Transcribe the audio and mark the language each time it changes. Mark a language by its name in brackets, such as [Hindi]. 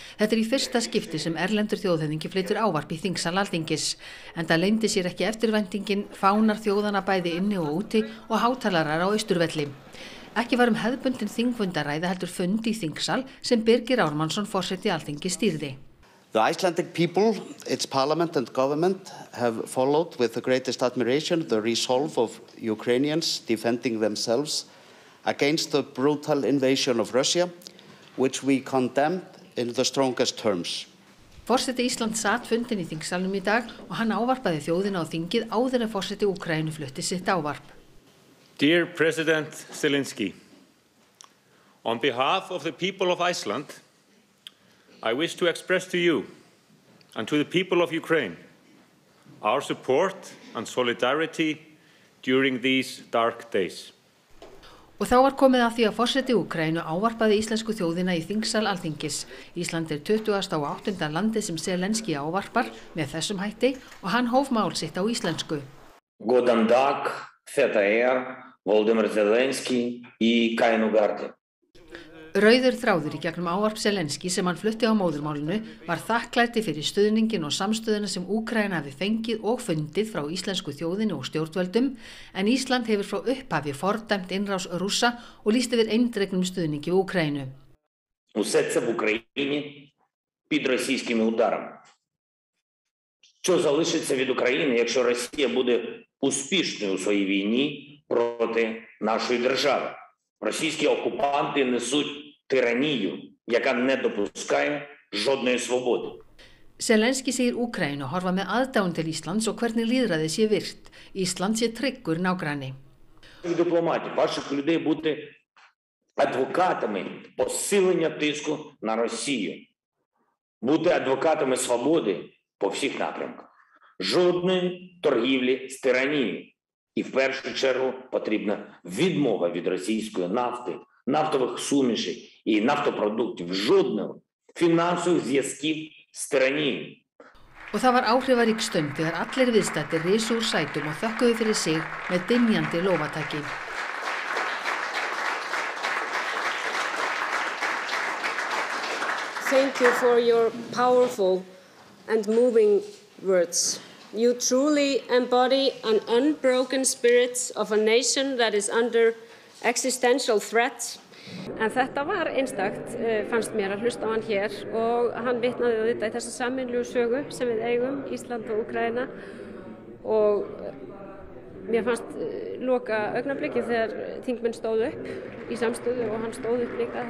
[Icelandic] Þetta í fyrsta skipti sem erlendur þjóðhöfðingi flytur ávarp í þingsal Alþingis. Enda leyndi sér ekki eftirvæntingin, fánar þjóðana bæði inni og úti og hátalarar á Austurvelli. Ekki var hefðbundin þingfundaræða heldur fund í þingsal sem Birgir Ármannsson forseti Alþingis stýrði. [English] The Icelandic people, its parliament and government have followed with the greatest admiration the resolve of Ukrainians defending themselves against the brutal invasion of Russia, which we condemn in the strongest terms. [Icelandic] Forseti Íslands sat fundin í þingsalnum í dag og hann ávarpaði þjóðina á þingið áður en forseti Úkraínu flutti sitt ávarp. [English] Dear President Zelensky, on behalf of the people of Iceland, I wish to express to you and to the people of Ukraine our support and solidarity during these dark days. [Icelandic] Og þá var komið að því að forseti Úkraínu ávarpaði íslensku þjóðina í þingsal Alþingis. Ísland 28. landi sem Zelensky ávarpar með þessum hætti og hann hóf mál sitt á íslensku. Godan dag, þetta Volodymyr Zelensky í kænu garði. Rauður þráður í gegnum ávarp Zelensky sem hann flutti á móðurmálinu var þakklæti fyrir stuðningin og samstöðuna sem Úkraína hafi fengið og fundið frá íslensku þjóðinu og stjórnvöldum, en Ísland hefur frá upphafi fordæmt innrás Rússa og lýst yfir eindregnum stuðningi í Úkraínu. [Ukrainian] Усе в Україні під російськими ударами. Що залишиться від України, якщо Росія буде успішною у своїй війні проти нашої держави? Російські окупанти несуть тиранію, яка не допускає жодної свободи. [Icelandic] Zelensky segir Úkraínu horfa með aðdáun til Íslands og hvernig lýðræði sé virt. Ísland sé tryggur nágranni. [Ukrainian] Дипломати, ваших людей бути адвокатами посилення тиску на Росію. Бути адвокатами свободи по всіх напрямках. Жодної торгівлі з тиранією. І в першу чергу потрібна відмова від російської нафти, нафтових сумішей і нафтопродуктів, жодного фінансових зв'язків з тиранією. [Icelandic] Og það var áhrifarík stund, þegar allir viðstættir risu úr sætum og þökkuðu fyrir sig með dynjandi lófataki. [English] Thank you for your powerful and moving words. You truly embody an unbroken spirit of a nation that is under existential threat. [Icelandic] En þetta var einstakt, fannst mér að hlusta á hann hér og hann vitnaði á þetta í þessa sameiginlegu sögu sem við eigum, Ísland og Úkraína. Og mér fannst loka augnabliki þegar þingmenn stóð upp í samstöðu og hann stóð upp líka.